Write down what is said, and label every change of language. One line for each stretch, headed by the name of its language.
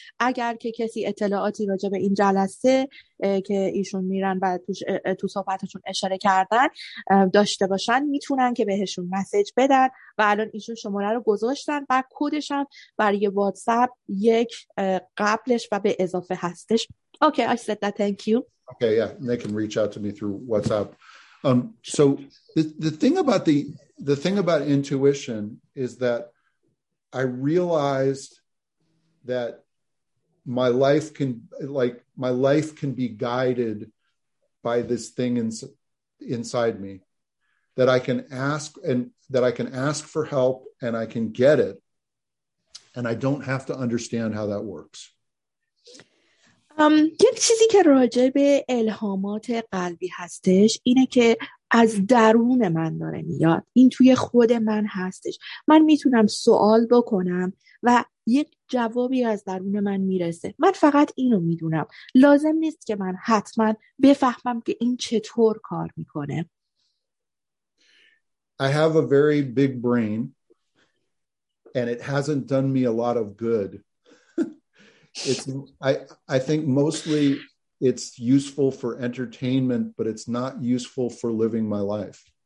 Persian: اگر که کسی اطلاعاتی راجع به این جلسه که ایشون میرن و تو صحبتشون اشاره کردن داشته باشن میتونن که بهشون مسیج بدن و الان ایشون شماره رو گذاشتن و کدش هم برای واتساپ یک قبلش و به اضافه هستش.
English: Okay, I said that. Thank you. Okay, yeah, they can reach out to me through WhatsApp. So the thing about intuition is that I realized that my life can be guided by this thing inside me, that I can ask for help and I can get it, and I don't have to understand how that works.
Persian: یک چیزی که راجع به الهامات قلبی هستش اینه که از درون من داره میاد، این توی خود من هستش، من میتونم سوال بکنم و یک جوابی از درون من میرسه. من فقط اینو میدونم، لازم نیست که من حتما بفهمم که این چطور کار میکنه.
English: I have a very big brain and it hasn't done me a lot of good. I think mostly it's useful for entertainment, but it's not useful for living my life.